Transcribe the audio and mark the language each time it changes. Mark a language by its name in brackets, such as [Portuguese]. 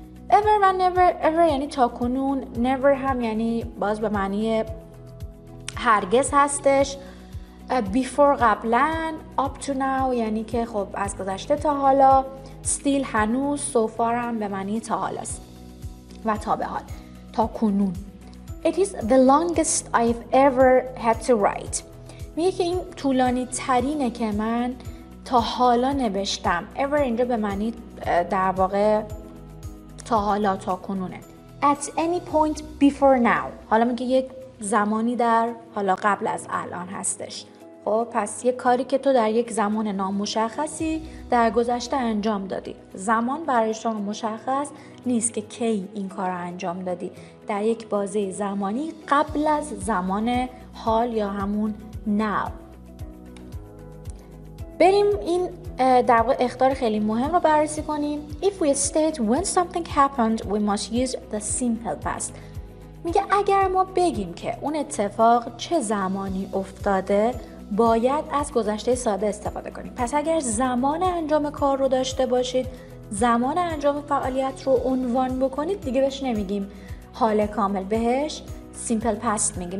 [Persian] ever و never، ever یعنی تا کنون، never هم یعنی باز به معنی هرگز هستش، before قبلن، [English] up to now [Persian] یعنی که خب از گذشته تا حالا، still هنوز، [English] so far [Persian] هم به معنی تا حالا است و تا به حال، تا کنون. [English] it is the longest I've ever had to write. [Persian] میگه که این طولانی ترینه که من تا حالا نوشتم. ever اینجا به معنی در واقع تا حالا، تا کنونه. [English] at any point before now، [Persian] حالا میگه یک زمانی در حالا قبل از الان هستش. خب پس یک کاری که تو در یک زمان نامشخصی در گذشته انجام دادی. زمان برای شما مشخص نیست که کی این کار رو انجام دادی، در یک بازه زمانی قبل از زمان حال یا همون now. بریم این در واقع اخطار خیلی مهم رو بررسی کنیم. [English] if we state when something happened we must use the simple past. [Persian] میگه اگر ما بگیم که اون اتفاق چه زمانی افتاده، باید از گذشته ساده استفاده کنیم. پس اگر زمان انجام کار رو داشته باشید، زمان انجام فعالیت رو عنوان بکنید، دیگه بهش نمیگیم حال کامل، بهش simple past میگیم.